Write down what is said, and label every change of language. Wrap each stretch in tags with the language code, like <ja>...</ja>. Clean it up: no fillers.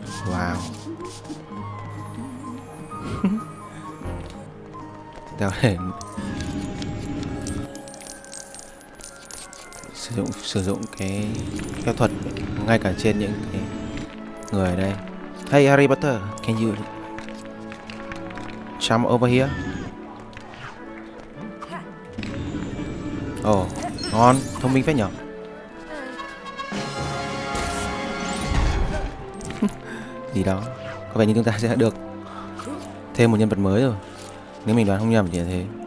<vi>Wow. Đeo lên. Sử dụng cái phép thuật ngay cả trên những cái người ở đây.</vi> <en>Hey Harry Potter, can you come over here?</en> <vi>Oh, ngon, thông minh phết nhở. Gì đó, có vẻ như chúng ta sẽ được thêm một nhân vật mới rồi. Nếu mình đoán không nhầm thì là thế.</vi>